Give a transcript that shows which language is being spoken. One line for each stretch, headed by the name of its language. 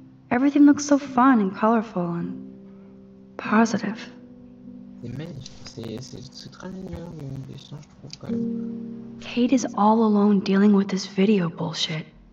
English: Everything looks so fun and colorful and positive.
French: C'est magnifique, c'est très mignon, mais je trouve quand même.
English: Kate is all alone dealing with this video bullshit.